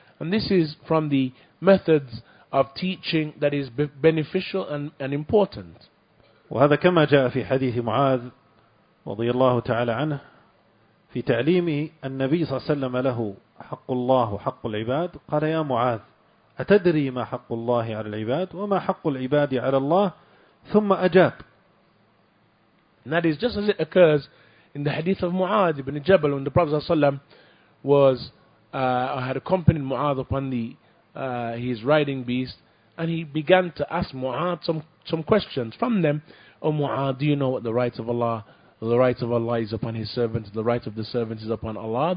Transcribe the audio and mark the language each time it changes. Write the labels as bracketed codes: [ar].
[en] And this is from the methods of teaching that is beneficial and important. [ar] وهذا كما جاء في حديث معاذ رضي الله تعالى عنه في تعليم النبي صلى الله عليه وسلم له حق الله وحق العباد قال يا معاذ أتدري ما حق الله على العباد وما حق العباد على الله ثم أجاب. [en] And that is just as it occurs in the hadith of Mu'adh ibn Jabal when the Prophet [ar] صلى الله عليه وسلم [en] had accompanied Mu'adh upon his riding beast and he began to ask Mu'adh some questions from them. Oh Mu'adh, do you know what the right of Allah is upon his servant, the right of the servant is upon Allah?